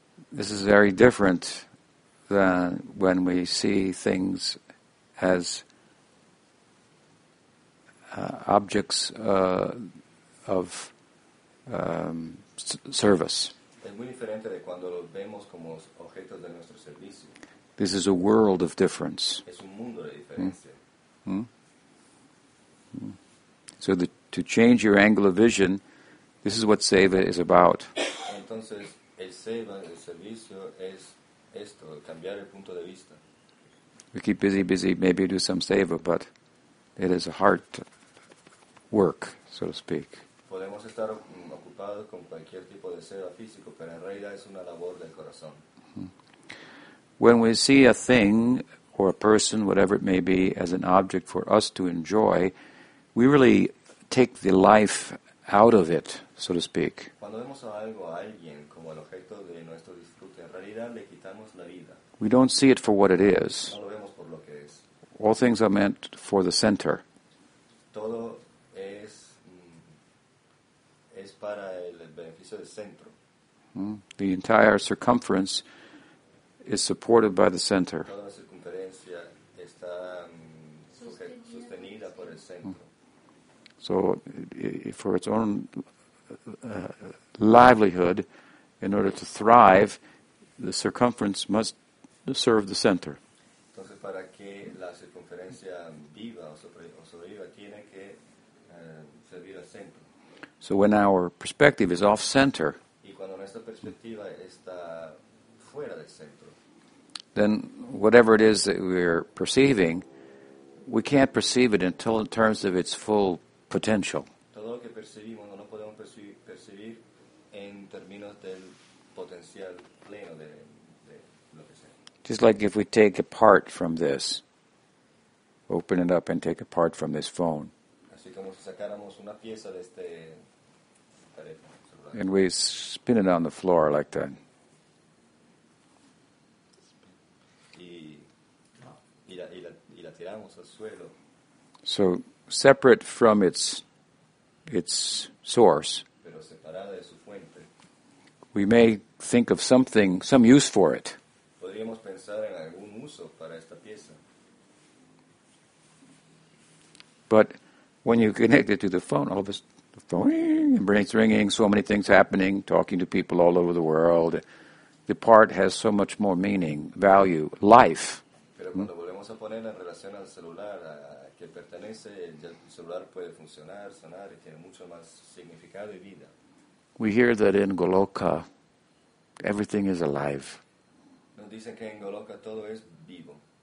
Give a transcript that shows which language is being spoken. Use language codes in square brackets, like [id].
[en] this is very different than when we see things as objects of service. [es] Es muy diferente de cuando los vemos como objetos de nuestro servicio. [en] This is a world of difference. [es] Es un mundo de diferencia. [en] So to change your angle of vision, this is what seva is about. [es] Entonces, el seva, el servicio, es esto, cambiar el punto de vista. [en] We keep busy, maybe do some seva, but it is a heart work, so to speak. [es] Podemos estar ocupados con cualquier tipo de seva físico, pero en realidad es una labor del corazón. [en] When we see a thing or a person, whatever it may be, as an object for us to enjoy, we really take the life out of it, so to speak. [es] Cuando vemos a algo, a alguien, como el objeto de nuestro disfrute, en realidad le quitamos la vida. [en] We don't see it for what it is. [es] No lo vemos por lo que es. [en] All things are meant for the center. [es] Todo es para el beneficio del centro. [en] The entire circumference is supported by the center. [es] Toda la circunferencia está sostenida por el centro. [en] So, for its own livelihood, in order to thrive, the circumference must serve the center. [es] Entonces, para que la circunferencia viva o sobreviva, tiene que servir al centro. [en] So, when our perspective is off-center, [es] y cuando nuestra perspectiva está fuera del centro, [en] then whatever it is that we're perceiving, we can't perceive it until in terms of its full potential. [es] Todo lo que percibimos no lo podemos percibir en términos del potencial pleno de lo que sea. [en] Just like if we take a part from this, open it up and take a part from this phone. [es] Así como si sacáramos una pieza de este teléfono. [en] And we spin it on the floor like that. [es] Y la tiramos al suelo. [en] So, separate from its source, [es] pero separada de su fuente, [en] we may think of something, some use for it. [es] Podríamos pensar en algún uso para esta pieza. [en] But when you connect it to the phone, all of a sudden, the phone, and brain's ringing, so many things happening, talking to people all over the world, the part has so much more meaning, value, life. [es] Pero cuando volvemos a poner en relación al celular, a que pertenece, el celular puede funcionar, sonar, y tiene mucho más significado y vida. [en] We hear that in Goloka, everything is alive. [es] Nos dicen que en Goloka todo es vivo.